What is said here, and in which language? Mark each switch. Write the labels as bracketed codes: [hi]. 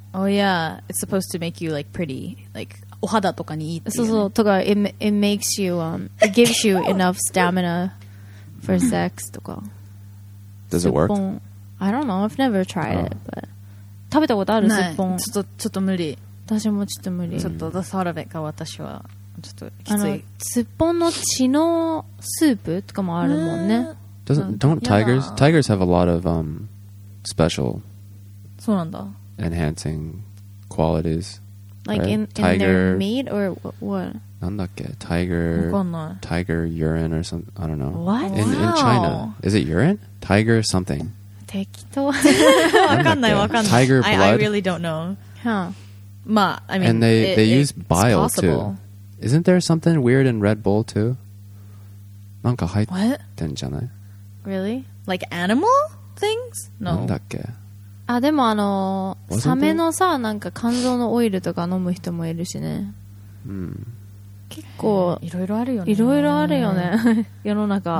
[en] Oh yeah, it's supposed to make you like pretty, like. [ja] お肌とかにいいっていう。そうそう。 [en] とか、it makes you, it gives you enough stamina for sex とか。 Does it work? I don't know. I've never tried it, but [ja] 食べたことある？ない。ちょっと無理。私もちょっと無理。ちょっと [en] the thought of it [ja] か私はちょっときつい。あの、スッポンの血のスープとかもあるもんね。 [en] Don't tigers? Tigers have a lot of special. [ja] そうなんだ。 [en] Enhancing qualities. Like right? in their meat or what? [ja] なんだっけ? [en] Tiger urine or something. I don't know. What? In China. Is it urine? Tiger something. [ja] 適当。わかんないわかんない。 [en] Tiger blood? I really don't know. Huh. [ja] まあ、 [en] I mean, And they, it, they use bile、 possible. too. Isn't there something weird in Red Bull too? [ja] なんか入ってんじゃない? [en] Really? Like animal things? No. [ja] なんだっけ? あでもあのサメのさなんか肝臓のオイルとか飲む人もいるしね、うん、結構いろいろあるよねいろいろあるよね世の中、